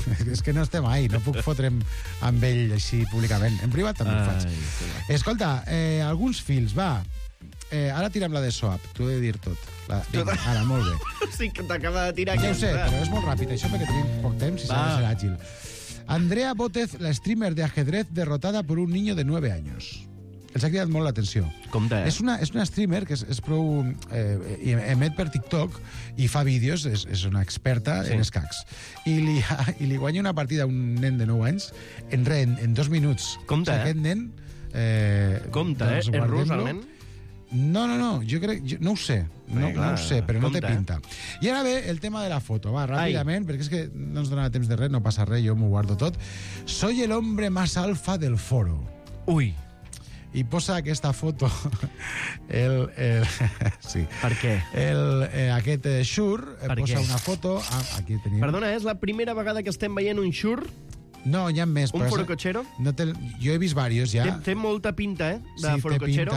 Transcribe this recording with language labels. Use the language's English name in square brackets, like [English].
[Catalan] És que no estem ahí, no puc fotre'm amb ell així públicament. En privat també ho faig. Escolta, alguns fils, va. Ara tira'm la de Soap, t'ho he de dir tot. Ara, molt bé. Sí, que t'acaba de tirar. Ja ho sé, però és molt ràpid, això, perquè tenim poc temps i s'ha de ser àgil. [Spanish] Andrea Bótez, la streamer de ajedrez derrotada per un niño de 9 años. [Catalan] Els ha cridat molt l'atenció. Compte, eh? És una streamer que és prou... emet per TikTok i fa vídeos, és una experta en escacs. I li guanya una partida a un nen de 9 anys en 2 minuts. Compte, eh? Aquest nen... Compte, doncs, rus, almenys? No, jo no ho sé. No ho sé, però no té pinta. I ara ve el tema de la foto, va, ràpidament, perquè és que no ens donarà temps de res, no passa res, jo m'ho guardo tot. [Spanish] Soy el hombre más alfa del foro. [Catalan] Ui. I posa aquesta foto el sí. Per què? Aquest xur posa una foto... aquí tenim. Perdona, és la primera vegada que estem veient un xur? No, hi ha més. Un forocotxero? No, jo he vist diversos, ja. Té molta pinta, eh, de forocotxero.